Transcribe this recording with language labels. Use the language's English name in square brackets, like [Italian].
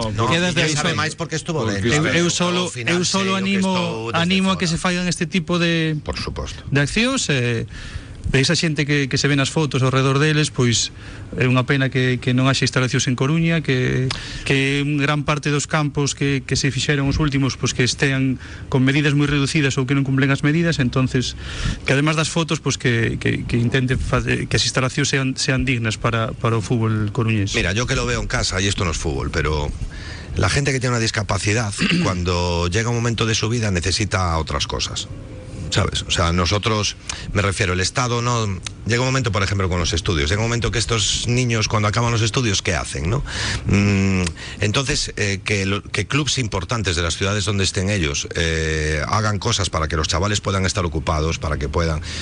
[Galician] quedas de aviso máis porque estuvo dentro. Eu solo animo a que se faigan este tipo de, por suposto, de accións. Esa xente que se ven as fotos ao redor deles, pois é unha pena que non haxe instalacións en Coruña, que gran parte dos campos que se fixeron os últimos, pois que estean con medidas moi reducidas ou que non cumplen as medidas, entonces que además das fotos, pois que intente que as instalacións sean dignas para o fútbol coruñés. [Spanish] Mira, yo que lo veo en casa, y esto no es fútbol, pero la gente que tiene una discapacidad, cuando llega un momento de su vida, necesita otras cosas. ¿Sabes? O sea, nosotros, me refiero, el Estado no... Llega un momento, por ejemplo, con los estudios. Llega un momento que estos niños, cuando acaban los estudios, ¿qué hacen, no? Entonces, que clubes importantes de las ciudades donde estén ellos hagan cosas para que los chavales puedan estar ocupados, para que puedan...